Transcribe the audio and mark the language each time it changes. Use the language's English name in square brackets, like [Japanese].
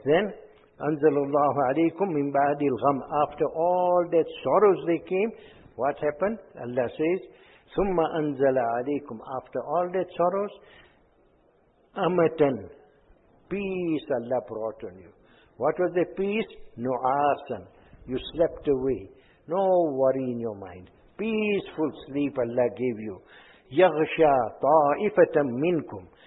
[Arabic] Then أَنزَلُ اللَّهُ عَلَيْكُمْ مِنْ بَعْدِ الْغَمِّ. [English] After all that sorrows they came, what happened? Allah says [Arabic] ثُمَّ أَنزَلَ عَلَيْكُمْ. [English] After all that sorrows, Amatan, peace Allah brought on you. What was the peace? Nu'asan. You slept away. No worry in your mind. Peaceful sleep Allah gave you. [Arabic] Yaghsha ta'ifatan minkum.